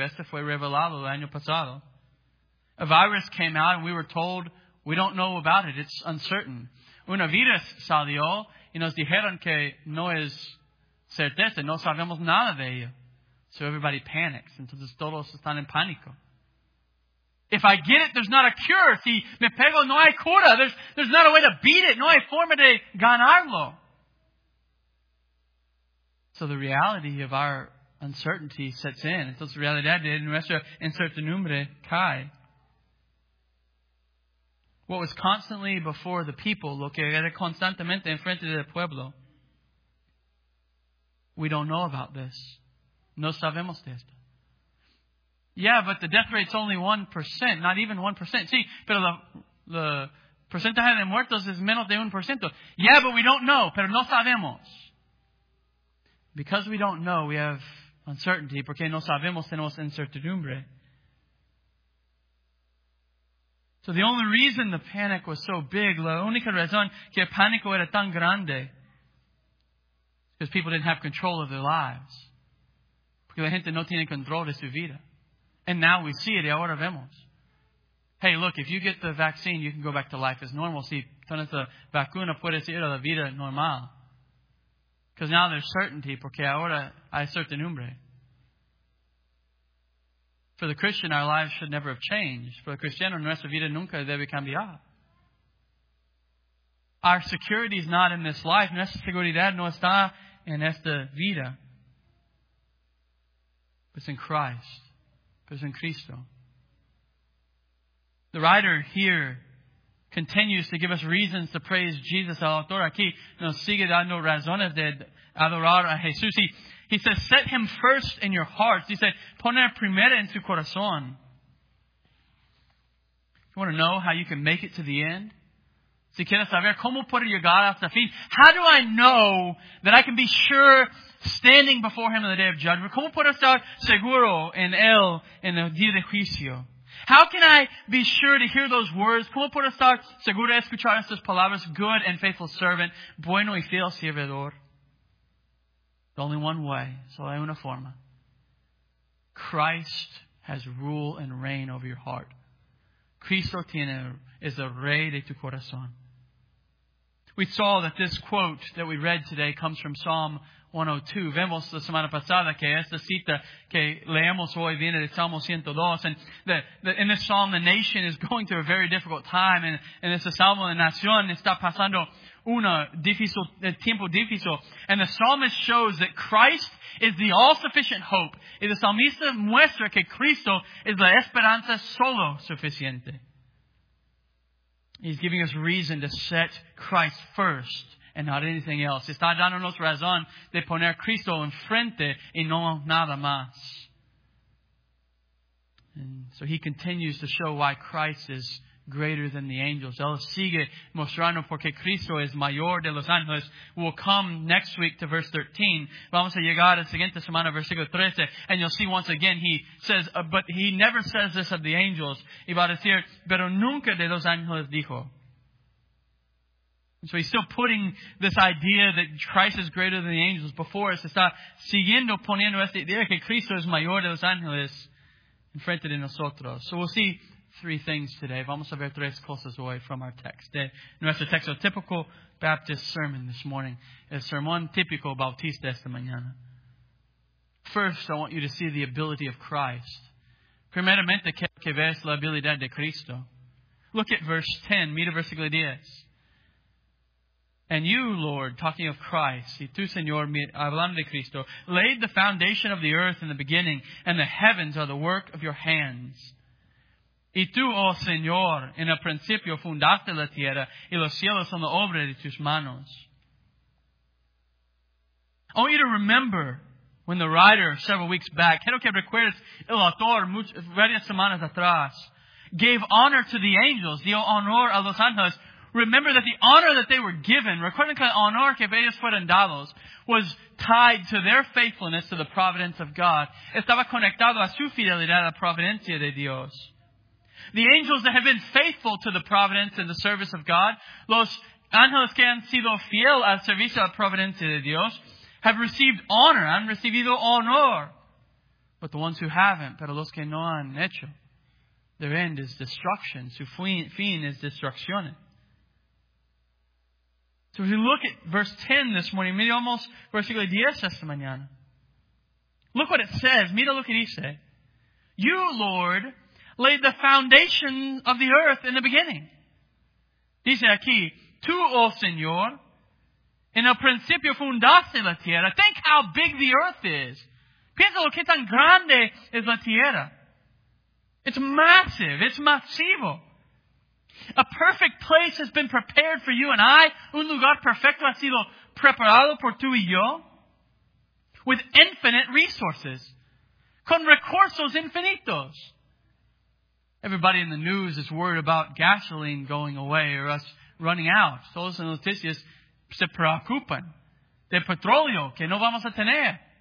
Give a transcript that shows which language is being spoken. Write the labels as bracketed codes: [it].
[es] Este fue revelado el año pasado. [en] A virus came out and we were told, we don't know about it, it's uncertain. [es] Un virus salió y nos dijeron que no es certeza, no sabemos nada de ello. [en] So everybody panics, [es] entonces todos están en pánico. [en] If I get it, there's not a cure. [es] Si me pego, no hay cura. [en] There's not a way to beat it. [es] No hay forma de ganarlo. [en] So the reality of our uncertainty sets in. [es] Entonces la realidad de nuestra incertidumbre cae. [en] What was constantly before the people, [es] lo que era constantemente en frente del pueblo. [en] We don't know about this. [es] No sabemos de esto. [en] Yeah, but the death rate's only 1%, not even 1%. [es] Sí, pero la porcentaje de muertos es menos de 1%. [en] Yeah, but we don't know, [es] pero no sabemos. [en] Because we don't know, we have uncertainty. [es] Porque no sabemos, tenemos incertidumbre. [en] So the only reason the panic was so big, [es] la única razón que el pánico era tan grande, [en] because people didn't have control of their lives. [es] Porque la gente no tiene control de su vida. [en] And now we see it, [es] y ahora vemos. [en] Hey, look, if you get the vaccine, you can go back to life as normal. [es] Si tienes la vacuna, puedes ir a la vida normal. [en] Because now there's certainty, [es] porque ahora hay certidumbre. [en] For the Christian, our lives should never have changed. For the cristiano, [es] nuestra vida nunca debe cambiar. [en] Our security is not in this life. [es] Nuestra seguridad no está en esta vida. [en] It's in Christ. It's in Cristo. The writer here continues to give us reasons to praise Jesus. [es] El autor aquí nos sigue dando razones de adorar a Jesús. [en] He says, set him first in your hearts. He said, [es] poner primero en su corazón. [en] If you want to know how you can make it to the end? [es] Si quieres saber cómo poder llegar hasta el fin. [en] How do I know that I can be sure standing before him on the day of judgment? [es] Cómo poder estar seguro en él en el día de juicio? [en] How can I be sure to hear those words? [es] ¿Cómo puedo estar seguro de escuchar estas palabras? [en] Good and faithful servant. [es] Bueno y fiel servidor. [en] The only one way. [es] Solo hay una forma. [en] Christ has rule and reign over your heart. [es] Cristo tiene, es el rey de tu corazón. [en] We saw that this quote that we read today comes from Psalm 102. [es] Vemos la semana pasada que esta cita que leemos hoy viene de Salmo 102. [en] And in this psalm, the nation is going through a very difficult time. And in this psalm, [es] la nación está pasando una difícil, tiempo difícil. [en] And the psalmist shows that Christ is the all-sufficient hope. [es] Y el salmista muestra que Cristo es la esperanza solo suficiente. [en] He's giving us reason to set Christ first and not anything else. [es] Está dándonos razón de poner Cristo enfrente y no nada más. [en] And so he continues to show why Christ is greater than the angels. [es] Él sigue mostrando porque Cristo es mayor de los ángeles. [en] We'll come next week to verse 13. [es] Vamos a llegar a la siguiente semana, versículo 13. [en] And you'll see once again, he says, but he never says this of the angels. [es] Y va a decir, pero nunca de los ángeles dijo. [en] So he's still putting this idea that Christ is greater than the angels before us. [es] Está siguiendo poniendo esta idea que Cristo es mayor de los ángeles en frente de nosotros. [en] So we'll see three things today. [es] Vamos a ver tres cosas hoy [en] from our text. [es] De nuestro texto, [en] typical Baptist sermon this morning. [es] El sermón típico bautista esta mañana. [en] First, I want you to see the ability of Christ. [es] Primeramente, que ves la habilidad de Cristo. [en] Look at verse 10, [es] mira versículo 10. [en] And you, Lord, talking of Christ, [es] y tú, Señor, hablando de Cristo, [en] laid the foundation of the earth in the beginning, and the heavens are the work of your hands. [es] Y tú, oh Señor, en el principio fundaste la tierra y los cielos son la obra de tus manos. [en] I want you to remember when the writer several weeks back, [es] quiero que recuerdes el autor varias semanas atrás, [en] gave honor to the angels, [es] dio honor a los ángeles. [en] Remember that the honor that they were given, [es] recuerden que el honor que ellos fueron dados, [en] was tied to their faithfulness to the providence of God. [es] Estaba conectado a su fidelidad a la providencia de Dios. [en] The angels that have been faithful to the providence and the service of God, [es] los ángeles que han sido fiel al servicio a la providencia de Dios, [en] have received honor, [es] han recibido honor. [en] But the ones who haven't, [es] pero los que no han hecho, [en] their end is destruction, [es] su fin es destrucción. [en] So if you look at verse 10 this morning, [es] mira almost versículo 10 esta mañana. [en] Look what it says, [es] mira lo que dice. [en] You, Lord, laid the foundation of the earth in the beginning. [es] Dice aquí, tú, oh Señor, en el principio fundaste la tierra. [en] Think how big the earth is. [es] Piensa lo que tan grande es la tierra. [en] It's massive. It's masivo. A perfect place has been prepared for you and I. [es] Un lugar perfecto ha sido preparado por tú y yo. [en] With infinite resources. [es] Con recursos infinitos. [en] Everybody in the news is worried about gasoline going away or us running out. [es] Todos en noticias se preocupan de petróleo que no vamos a tener.